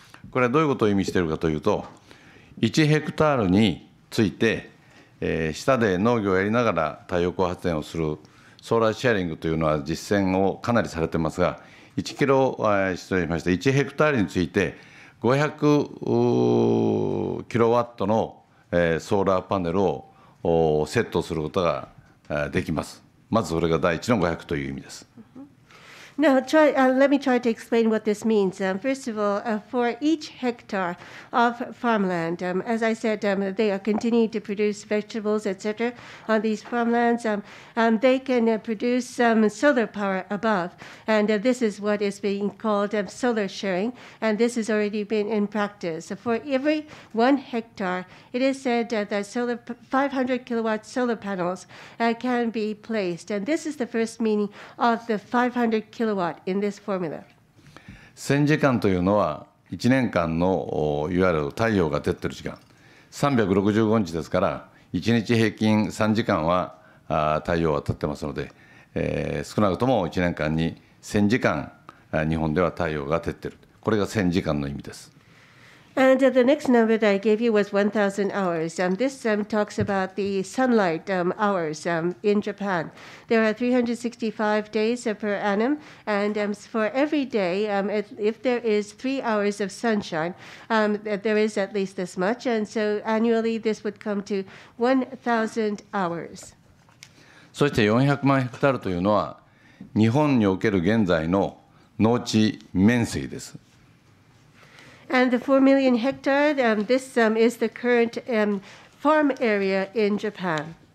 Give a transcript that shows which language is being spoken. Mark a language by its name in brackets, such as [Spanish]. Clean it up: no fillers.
[Japanese] これはどういうことを意味しているかというと、1ヘクタールについて、下で農業をやりながら太陽光発電をするソーラーシェアリングというのは実践をかなりされていますが、1キロ、失礼しました。 1ヘクタールについて500キロワットのソーラーパネルをセットすることができます。まずそれが第一の500という意味です。 [English] Now, let me try to explain what this means. First of all, for each hectare of farmland, as I said, they are continuing to produce vegetables, etc. on these farmlands. They can produce some solar power above. And this is what is being called solar sharing. And this has already been in practice. For every one hectare, it is said that 500 kilowatt solar panels can be placed. And this is the first meaning of the 500 kilowatt. In this formula. [Japanese] 1000時間というのは1年間のいわゆる太陽が照っている時間365日ですから1日平均3時間は太陽は照っていますので、少なくとも1年間に1000時間日本では太陽が照っている、これが1000時間の意味です。 [English] And the next number that I gave you was 1,000 hours. This talks about the sunlight hours in Japan. There are 365 days per annum. And for every day, if there is 3 hours of sunshine, there is at least this much. And so annually, this would come to 1,000 hours. [Japanese] そして400万ヘクタールというのは日本における現在の農地面積です。 [English] And the 4 million hectare, this is the current farm area in Japan.